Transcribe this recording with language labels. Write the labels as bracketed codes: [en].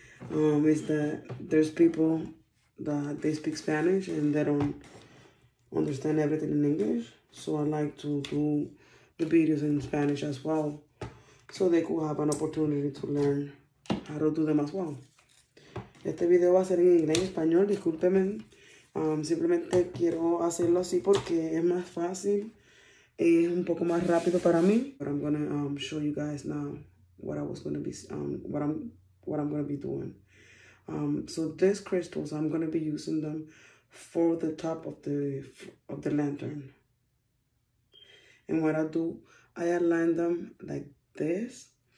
[en] Is that there's people that they speak Spanish and they don't understand everything in English, so I like to do the videos in Spanish as well so they could have an opportunity to learn how to do them as well. [es] Este video va a ser en inglés y español, discúlpenme. Simplemente quiero hacerlo así porque es más fácil, es un poco más rápido para mí. [en] But I'm gonna show you guys now what I was gonna be what I'm gonna be doing. So these crystals, I'm gonna be using them for the top of the lantern. And what I do, I align them like this.